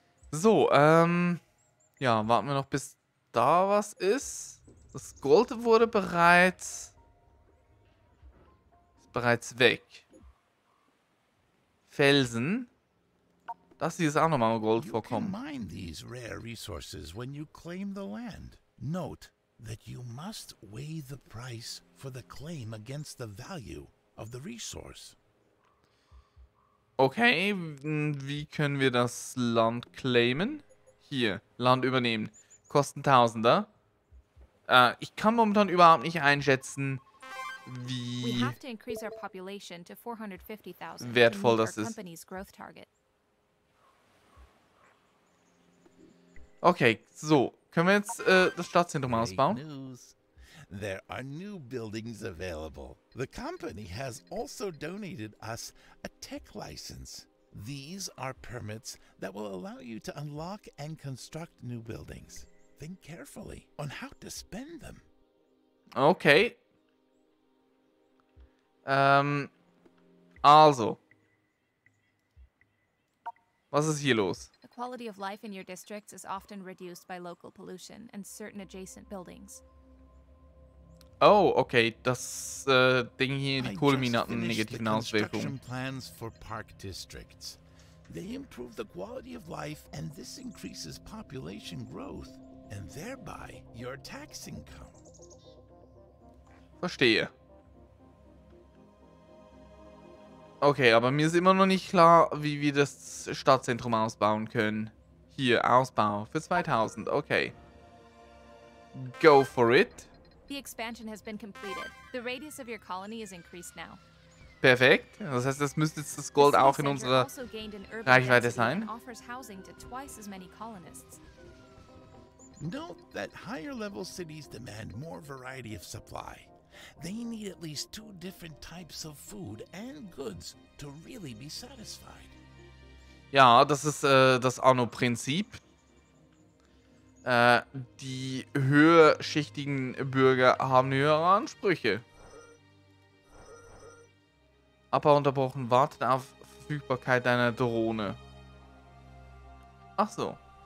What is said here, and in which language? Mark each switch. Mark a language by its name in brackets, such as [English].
[German] So, ja, warten wir noch, bis da was ist. Das Gold wurde bereits... ist bereits weg. Felsen. Das hier ist auch nochmal Goldvorkommen. Du kannst diese rare Ressourcen, wenn du das Land claimst. [English] Note that you must weigh the price for the claim against the value of the resource. [German] Okay, wie können wir das Land claimen? Hier, Land übernehmen. Kosten 1000er. Ich kann momentan überhaupt nicht einschätzen, wie wertvoll das ist. Okay, so. Können wir jetzt das Stadtzentrum ausbauen? [English] There are new buildings available. The company has also donated us a tech license. These are permits that will allow you to unlock and construct new buildings. Think carefully on how to spend them. Okay. [German] Also. Was ist hier los? [English] Quality of life in your districts is often reduced by local pollution and certain adjacent buildings. [German] Oh, okay, das Ding hier, die Kohlemine hat eine negative Auswirkung. [English] Plans for park districts. They improve the quality of life and this increases population growth and thereby your tax income. [German] Verstehe. Okay, aber mir ist immer noch nicht klar, wie wir das Stadtzentrum ausbauen können. Hier, Ausbau für 2000, okay. [English] Go for it. The expansion has been completed. The radius of your colony is increased now. [German] Perfekt. Das heißt, das müsste jetzt das Gold auch in unserer Reichweite sein. [English] Offers housing to twice as many colonists. Note that higher level cities demand more variety of supply. They need at least 2 different types of food and goods to really be satisfied. [German] Ja, das ist das Anno-Prinzip. Die höherschichtigen Bürger haben höhere Ansprüche. Aber unterbrochen, wartet auf Verfügbarkeit deiner Drohne. Ach so.